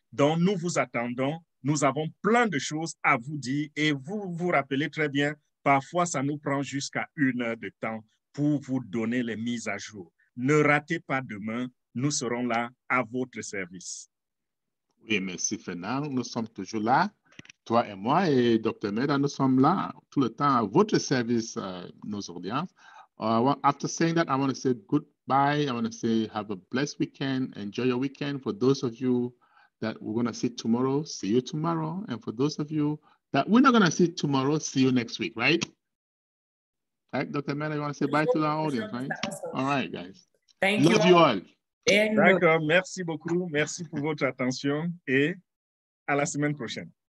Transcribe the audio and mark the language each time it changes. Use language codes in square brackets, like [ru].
[fr] Donc, nous vous attendons. Nous avons plein de choses à vous dire et vous vous rappelez très bien, parfois ça nous prend jusqu'à une heure de temps pour vous donner les mises à jour. Ne ratez pas demain, nous serons là à votre service. Oui, merci Fernand, nous sommes toujours là, toi et moi et Dr. Meda, nous sommes là tout le temps à votre service, nos audiences. [en] After saying that, I want to say goodbye, I want to say have a blessed weekend, enjoy your weekend for those of you that we're going to see tomorrow, see you tomorrow. And for those of you that we're not going to see tomorrow, see you next week, right? Right, Dr. Mehta, you want to say bye to our audience, right? All right, guys. Thank Love you all. [fr] D'accord, merci beaucoup. Merci pour votre attention et à la semaine prochaine.